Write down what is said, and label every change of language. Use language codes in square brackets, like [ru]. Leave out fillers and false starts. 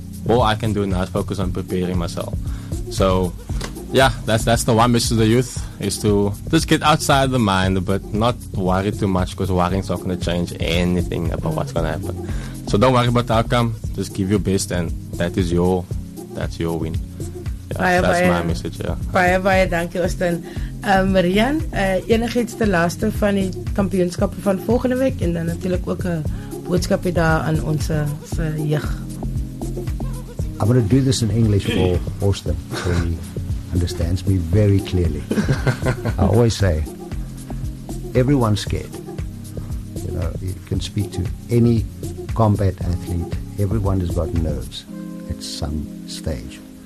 [en] all I can do now is focus on preparing myself. So yeah, that's the one message to the youth, is to just get outside the mind, but not worry too much, because worrying is not going to change anything about what's going to happen. So don't worry about the outcome, just give your best, and that's your win. [af] Baie dankie, Austin. Rian, enigiets te laste van die kampioenskappe van volgende week, en dan natuurlik ook 'n boodskapie daar aan ons se jeug. [en] I'm going to do this in English for Austin, so he understands me very clearly. I always say, everyone's scared. You know, you can speak to any combat athlete. Everyone has got nerves at some stage.